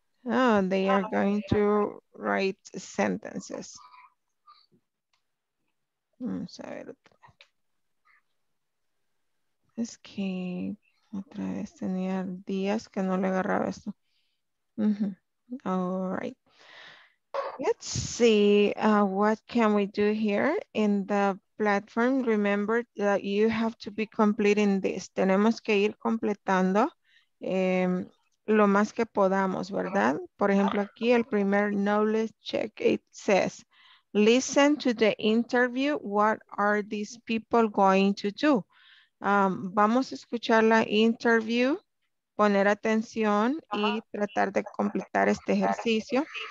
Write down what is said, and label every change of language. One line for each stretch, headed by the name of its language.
English: Oh, they are going to write sentences.
Spanish: Vamos a ver. Es que otra vez tenía días que no le agarraba esto.
English: All right. Let's see what can we do here in the platform. Remember that you have to be completing this.
Spanish: Tenemos que ir completando lo más que podamos, ¿verdad? Por ejemplo, aquí el primer
English: knowledge check, it says, listen to the interview, what are these people going to do?
Spanish: Vamos a escuchar la interview, poner atención y tratar de completar este ejercicio.